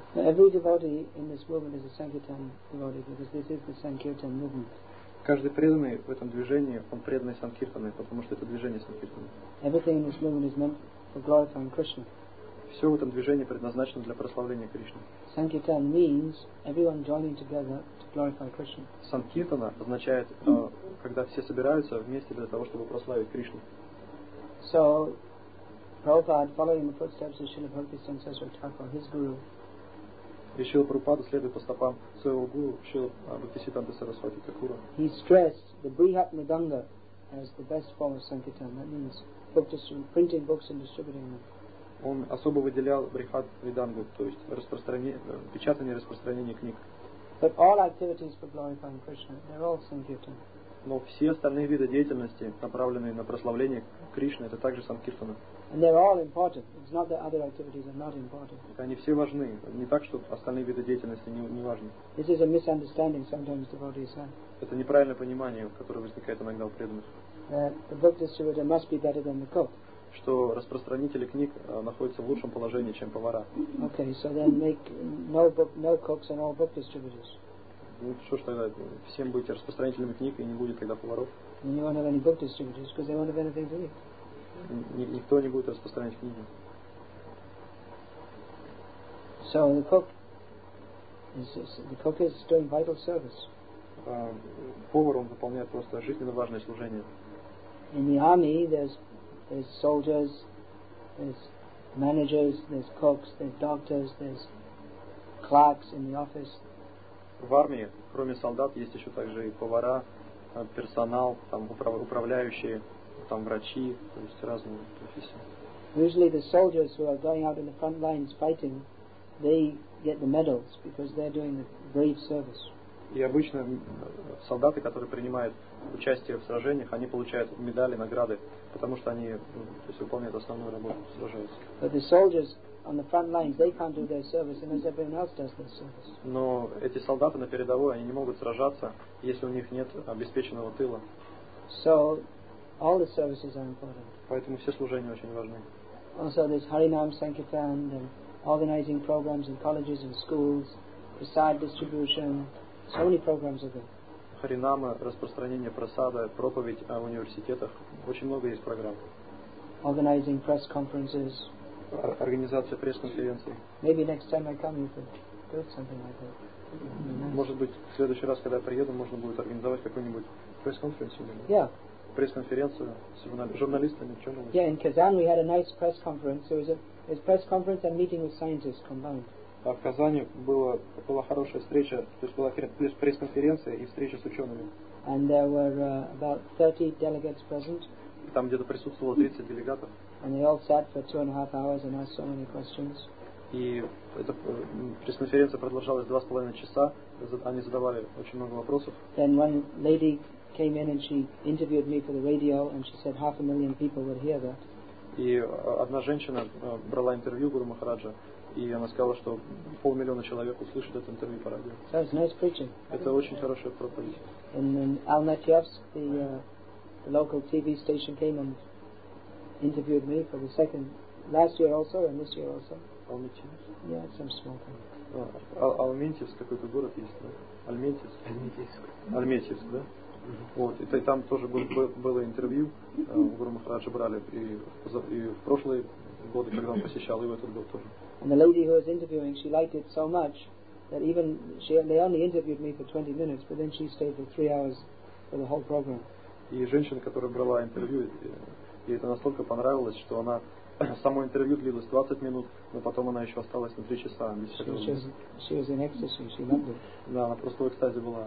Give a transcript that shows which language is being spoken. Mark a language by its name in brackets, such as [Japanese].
[English] Now every devotee in this movement is a Sankirtan devotee because this is the Sankirtan movement. [Russian] Каждый преданный в этом движении, он преданный Санкиртаны, потому что это движение Санкиртаны. [English] Everything in this movement is meant for glorifying Krishna. [Russian] Все в этом движении предназначено для прославления Кришны. [English] Sankirtan means everyone joining together to glorify Krishna. [Russian] Sankirtana означает, когда все собираются вместе для того, чтобы прославить Кришну. [English] So, Prabhupada, following the footsteps of Srila Bhaktisiddhanta Saraswati Thakur, his guru. [Russian] И Шрила Прабхупада следует по стопам своего гуру, Шрила Бхактисиддханта Сарасвати Такура. [English] He stressed the Brihat Madanga as the best form of Sankirtan. That means printing books and distributing them. [Russian] Он особо выделял брихат ридангу, то есть печатание и распространение книг. [English] But all activities for glorifying Krishna, they're all sankirtan. [Russian] Но все остальные виды деятельности, направленные на прославление Кришны, это также санкиртана. [English] And they're all important. It's not that other activities are not important. [Russian] Они все важны. Не так, что остальные виды деятельности не важны. [English] This is a misunderstanding sometimes devotees have. [Russian] Это неправильное понимание, которое возникает иногда у преданных. [English] The book distributor must be better than the cook. [Russian] Что распространители книг находятся в лучшем положении, чем повара. [English] Okay, so then make no cooks and all book distributors. [Russian] Ну что ж тогда, всем быть распространителями книг, и не будет тогда поваров. [English] And you won't have any book distributors, because they won't have anything to eat. [Russian] Никто не будет распространять книги. [English] So the cook is doing vital service. [Russian] Повар, он выполняет просто жизненно важное служение. [English] in the army there's soldiers, there's managers, there's cooks, there's doctors, there's clerks in the office. [Russian] В армии, кроме солдат, есть еще также и повара, персонал, там управляющие, там врачи, то есть разные профессии. [English] Usually the soldiers who are going out in the front lines fighting, they get the medals because they're doing the brave service. [Russian] И обычно солдаты, которые принимают участие в сражениях, они получают медали, награды, потому что они, то есть, выполняют основную работу, сражаются. [English] But the soldiers on the front lines, they can't do their service unless everyone else does their service. [Russian] Но эти солдаты на передовой, они не могут сражаться, если у них нет обеспеченного тыла. [English] So all the services are important. [Russian] Поэтому все служения очень важны. [English] Also there's Harinam Sankirtan, organizing programs in colleges and schools, prasad distribution. So many programs are there. [Russian] Харинама, распространение просада, проповедь о университетах. Очень много есть программ. [English] Organizing press conferences. [Russian] Организация пресс-конференций. [English] Maybe next time I come, you could build something like that. [Russian] Может быть, в следующий раз, когда я приеду, можно будет организовать какую-нибудь пресс-конференцию. [English] Yeah. [Russian] Пресс-конференцию с журналистами, учеными. [English] Yeah, in Kazan we had a nice press conference. It was a press conference and meeting with scientists combined. [Russian] А в Казани была хорошая встреча, то есть была пресс-конференция и встреча с учеными. [English] And there were about 30 delegates present. [Russian] Там где-то присутствовало 30 делегатов. [English] And they all sat for 2.5 hours and asked so many questions. [Russian] И эта пресс-конференция продолжалась 2.5 часа, они задавали очень много вопросов. [English] Then one lady came in and she interviewed me for the radio and she said 500,000 people would hear that. [Russian] И одна женщина брала интервью Гуру Махараджа. И она сказала, что 500,000 человек услышат это интервью по радио. [English] So it's nice preaching. [Russian] Это очень хорошая проповедь. [English] And in Al-Natyafsk, the local TV station came and interviewed me for the second, last year also, and this year also. Al-Natyafsk? Yeah, it's some small town. [Russian] Al-Mentyevsk, какой-то город есть, да? Al-Mentyevsk, да? Вот, и там тоже было интервью, у Гуру Махараджа брали, и в прошлые годы, когда он посещал, и в этот год тоже. [English] And the lady who was interviewing, she liked it so much that even they only interviewed me for 20 minutes, but then she stayed for 3 hours for the whole program. [Russian] И женщина, которая брала интервью, ей это настолько понравилось, что она само интервью длилось 20 минут, но потом она еще осталась на 3 часа. [English] She was in ecstasy. She loved it. [Russian] Да, она просто в экстазе была.